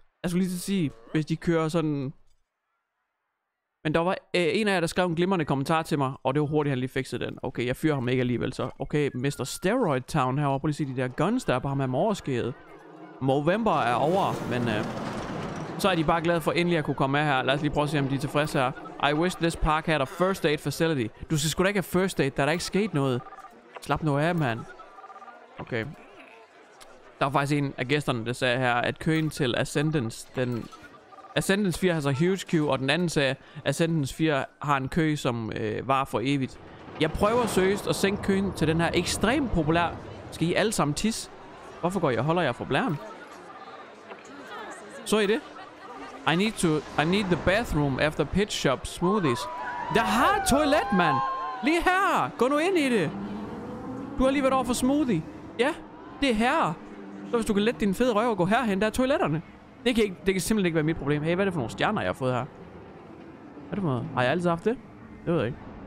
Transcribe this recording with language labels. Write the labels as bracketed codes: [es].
[da] Jeg skulle lige til at sige, hvis de kører sådan... Men der var en af jer, der skrev en glimrende kommentar til mig, og det var hurtigt, han lige fikset den. Okay, jeg fyrer ham ikke alligevel, så. Okay, Mr. Steroid Town herovre, prøv lige at se de der guns, der er på ham her med overskæret. Movember er over, men så er de bare glade for endelig at kunne komme med her. Lad os lige prøve at se, om de er tilfredse her. [en] I wish this park had a first aid facility. [da] Du skal sgu da ikke have first aid, der er ikke sket noget. Slap nu af, mand. Okay. Der var faktisk en af gæsterne, der sagde her, at køen til Ascendance, den... Ascendance 4 har så [en] huge queue, [da] og den anden sagde, Ascendance 4 har en kø, som var for evigt. Jeg prøver seriøst at sænke køen til den her ekstremt populær... Skal I alle sammen tisse? Hvorfor går jeg holder jeg for blæren? Så I det? [en] I need the bathroom after pit shop smoothies. [da] Der har et toilet, mand! Lige her! Gå nu ind i det! Du har lige været over for smoothie. Ja, det er her. Så hvis du kan lette din fede røv og gå herhen, der er toiletterne. Det kan, ikke, det kan simpelthen ikke være mit problem. Hey, hvad er det for nogle stjerner, jeg har fået her? Hvad er det for noget? Har jeg altid haft det? Det ved jeg ikke.